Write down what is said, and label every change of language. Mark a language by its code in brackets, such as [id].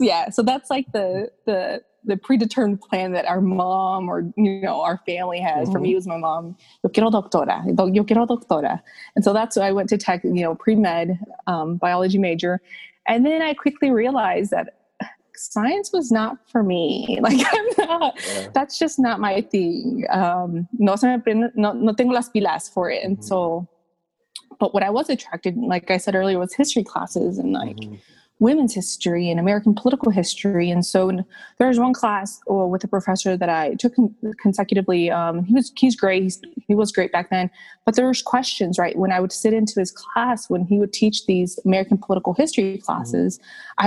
[en] So that's like the predetermined plan that our mom or, you know, our family has. Mm-hmm. For me, it was my mom. [es] Yo quiero doctora. Yo quiero doctora. [en] And so that's why I went to tech, you know, pre-med, biology major. And then I quickly realized that science was not for me. Like, that's just not my thing. [es] No tengo las pilas [en] for it. And mm-hmm. so, but what I was attracted, like I said earlier, was history classes and like, mm-hmm. women's history and American political history. And so there was one class with a professor that I took consecutively. He's great. He was great back then, but there was questions, right? When I would sit into his class, when he would teach these American political history classes, mm-hmm.